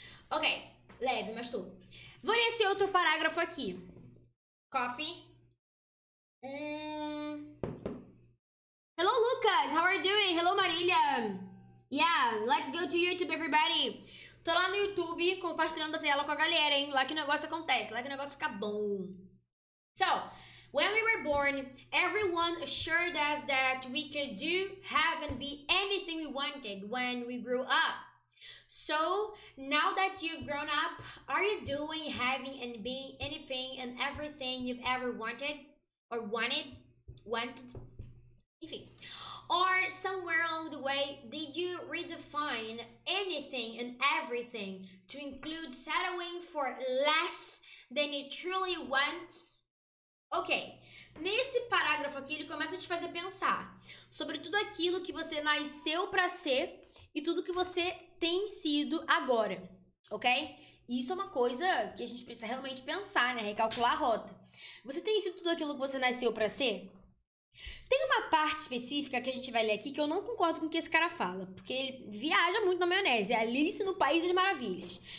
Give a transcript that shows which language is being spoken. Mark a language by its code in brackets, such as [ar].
[pt] Ok, leve, mas tô. Vou ler esse outro parágrafo aqui. Coffee. [en] Hello, Lucas. How are you doing? Hello, Marília. Yeah, let's go to YouTube, everybody. [pt] Tô lá no YouTube compartilhando a tela com a galera, hein? Lá que o negócio acontece, lá que o negócio fica bom. [en] So, when we were born, everyone assured us that we could do, have, and be anything we wanted when we grew up. So, now that you've grown up, are you doing, having, and being anything and everything you've ever wanted? Or wanted? [pt] Enfim. [en] Or somewhere along the way, did you redefine anything and everything to include settling for less than you truly want? [pt] Ok, nesse parágrafo aqui ele começa a te fazer pensar sobre tudo aquilo que você nasceu para ser e tudo que você tem sido agora, ok? Isso é uma coisa que a gente precisa realmente pensar, né? Recalcular a rota. Você tem sido tudo aquilo que você nasceu para ser? Tem uma parte específica que a gente vai ler aqui que eu não concordo com o que esse cara fala, porque ele viaja muito na maionese, é Alice no País das Maravilhas.